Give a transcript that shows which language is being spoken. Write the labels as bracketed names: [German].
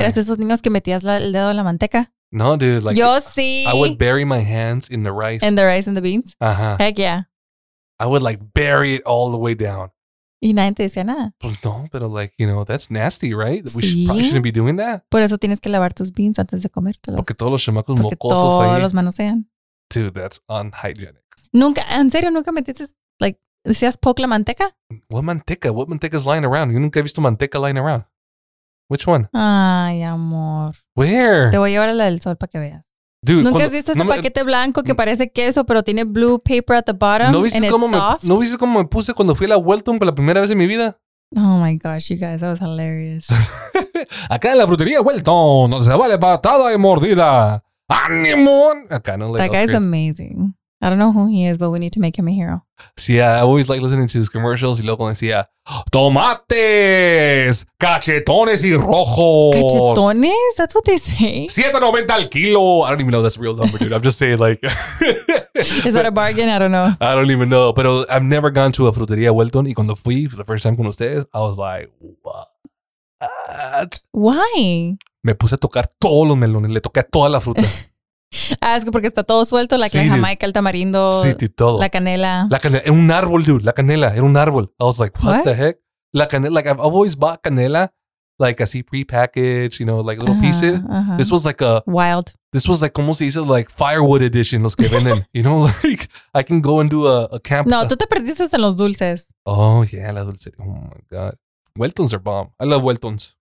[Spanish] ¿eras esos niños que metías el dedo en la manteca? [English] No, dude. Like, [Spanish] yo sí. [English] I would bury my hands in the rice. In the rice and the beans? Uh-huh. Heck yeah. I would like bury it all the way down. [Spanish] Y nadie te decía nada. [English] Pues no, pero like, you know, that's nasty, right? Sí. We should, probably shouldn't be doing that. [Spanish] Por eso tienes que lavar tus beans antes de comértelos. Porque todos los chamacos porque mocosos ahí. Porque todos los manosean. [English] Dude, that's unhygienic. [Spanish] Nunca, en serio, nunca metiste, like, decías poke la manteca? [English] What manteca? What manteca is lying around? Yo nunca he visto manteca lying around. Which one? [Spanish] Ay, amor. [English] Where? [Spanish] Te voy a llevar a la del sol para que veas. [English] Dude, [Spanish] ¿nunca has visto ese paquete blanco que parece queso, pero tiene blue paper at the bottom ¿no viste [English] and [Spanish] cómo [English] it's soft? [Spanish] ¿No viste cómo me puse cuando fui a la Welton por la primera vez en mi vida? [English] Oh my gosh, you guys, that was hilarious. [Spanish] Acá en la frutería Welton, donde se vale patada y mordida. ¡Ánimo! Acá no le [English] that guy's crazy. Amazing. I don't know who he is, but we need to make him a hero. Sí, I always like listening to his commercials. Y luego decía, tomates, cachetones y rojos. ¿Cachetones? That's what they say. [Spanish] $7.90 al kilo. [English] I don't even know if that's a real number, dude. I'm just saying like. Is that a bargain? I don't know. I don't even know. Pero I've never gone to a frutería Welton. Y cuando fui for the first time con ustedes, I was like, what? Why? [Spanish] Me puse a tocar todos los melones. Le toqué a toda la fruta. Ah, es que porque está todo suelto, la sí, jamaica, el tamarindo, sí, dude, todo. La canela, era un árbol, dude, la canela, era un árbol. [English] I was like, what the heck? La canela, like, I've always bought canela, like, así pre-packaged, you know, like, little uh-huh, pieces. Uh-huh. This was like a... Wild. This was like, ¿cómo se dice? Like, firewood edition, los que venden, you know, like, I can go and do a camp. [Spanish] No, tú te perdiste en los dulces. [English] Oh, yeah, la dulce. Oh, my God. Weltons are bomb. I love Weltons.